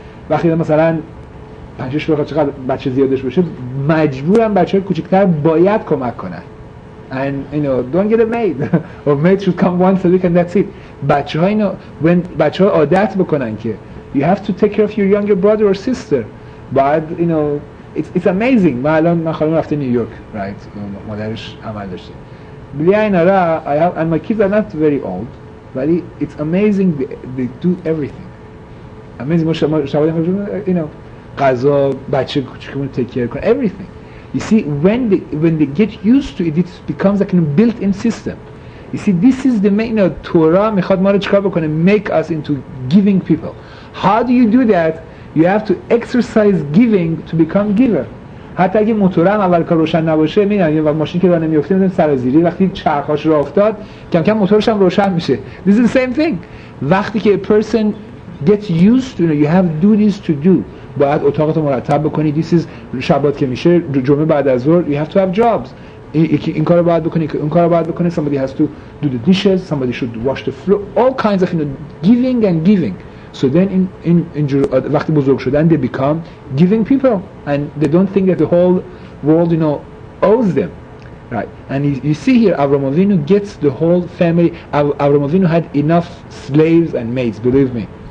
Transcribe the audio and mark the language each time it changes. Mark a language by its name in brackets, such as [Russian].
[Persian] وقتی مثلا پنجش بخواد چقدر بچه زیادش بشه، مجبورن بچه های کوچکتر باید کمک کنن. [English] And you know, don't get a maid. A maid should come once a week and that's it. [Persian] بچه ها اینو، [English] when [Persian] بچه ها عادت بکنن که [English] you have to take care of your younger brother or sister. [Persian] بعد [English] you know, it's amazing. [Persian] من الان من خانم رفته نیویورک، right؟ مادرش عمل داشته. بیاین آره، [English] I have and my kids are not very old. [Persian] ولی [English] it's amazing they do everything. Amazing. [Persian] مشا شاید هم چون [English] you know [Persian] غذا بچه کوچکمون [English] take care [Persian] کنه [English] everything. You see, when they get used to it, it becomes like a built-in system. You see, this is the main Torah [Persian] mechad mara chikar bekone, [English] make us into giving people. How do you do that? You have to exercise giving to become giver. [Persian] حتی اگه موتوره هم اول کار روشن نباشه، میدونم و ماشین که داره نمیفته، میدونم سرازیری، وقتی چرخاش رو افتاد کم کم موتورش هم روشن میشه. [English] This is the same thing. [Persian] وقتی که [English] a person gets used to, you know, you have duties to do. [Persian] باید اتاقت رو مرتب بکنی. [English] This is [Persian] شبات که میشه، جمعه بعد از ظهر [English] you have to have jobs. [Persian] این کار رو باید بکنی، که اون کار رو باید بکنی. [English] Somebody has to do the dishes. Somebody should wash the floor. All kinds of, you know, giving and giving. So then in [Persian] وقتی بزرگ شدن [English] they become giving people and they don't think that the whole world, you know, owes them, right? And you see here Avraham Avinu gets the whole family. Avraham Avinu had enough slaves and maids, believe me.